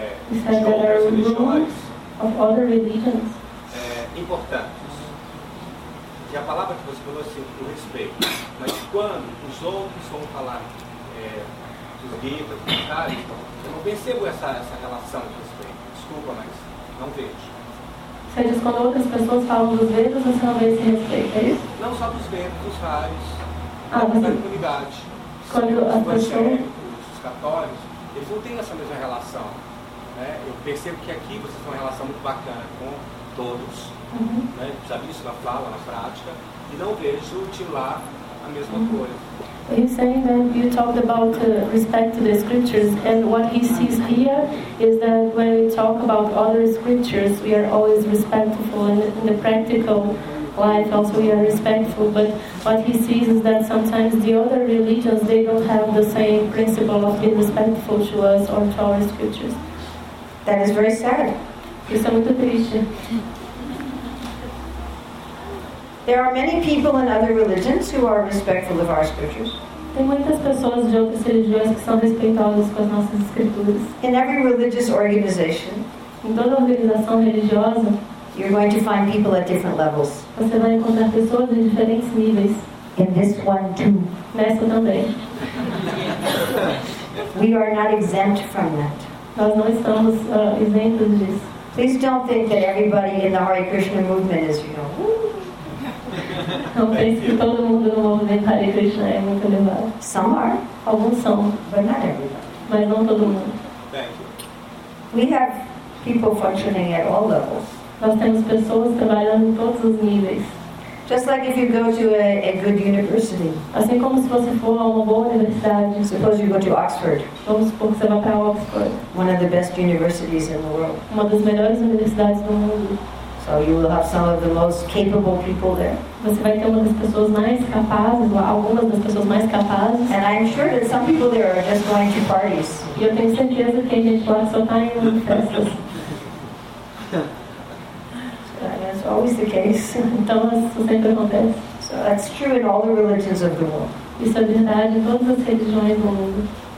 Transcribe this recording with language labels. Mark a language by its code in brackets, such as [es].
[en] He said that there are rules of other religions. [pt] Importantes. Que a palavra que você falou assim, o respeito. Mas quando os outros vão falar dos guias, dos caras, eu não percebo essa relação de respeito. Desculpa, mas não vejo. Você diz quando outras pessoas falam dos Vedas, você não vê esse respeito, é isso? Não só dos Vedas, dos raios, da comunidade. Quando as pessoas... Os católicos, eles não têm essa mesma relação. Né? Eu percebo que aqui vocês têm uma relação muito bacana com todos. Uhum. Né? Já vi isso na fala, na prática. E não vejo de lá a mesma coisa. [en] He's saying that you talked about respect to the scriptures, and what he sees here is that when we talk about other scriptures, we are always respectful, and in the practical life also we are respectful, but what he sees is that sometimes the other religions, they don't have the same principle of being respectful to us or to our scriptures. That is very sad. [pt] Isso é muito triste. [en] There are many people in other religions who are respectful of our scriptures. [pt] Tem muitas pessoas de outras religiões que são respeitosas com as nossas escrituras. [en] In every religious organization, [pt] em toda organização religiosa, [en] you're going to find people at different levels. [pt] Você vai encontrar pessoas de diferentes níveis. [en] In this one too. [pt] Nessa também. [en] We are not exempt from that. [pt] Nós não estamos isentos disso. [en] Please don't think that everybody in the Hare Krishna movement is, you know, [pt] não pense que todo mundo no movimento Hare Krishna é muito elevado. [en] Some are. [pt] Alguns são. [en] But not everybody. [pt] Mas não todo mundo. [en] We have people functioning at all levels. [pt] Nós temos pessoas trabalhando em todos os níveis. [en] Just like if you go to a good university. [pt] Assim como se você for a uma boa universidade. [en] Suppose you go to Oxford. [pt] Vamos supor que você vá para Oxford. [en] One of the best universities in the world. [pt] Uma das melhores universidades do mundo. [en] So you will have some of the most capable people there. [pt] Você vai ter uma das pessoas mais capazes, algumas das pessoas mais capazes. [en] And I'm sure that some people there are just going to parties. [pt] E eu tenho certeza que a gente lá só está em festas. [en] That's always the case. [pt] Então isso sempre acontece. [en] So that's true in all the religions of the world. [pt] Isso é verdade em todas as religiões do mundo.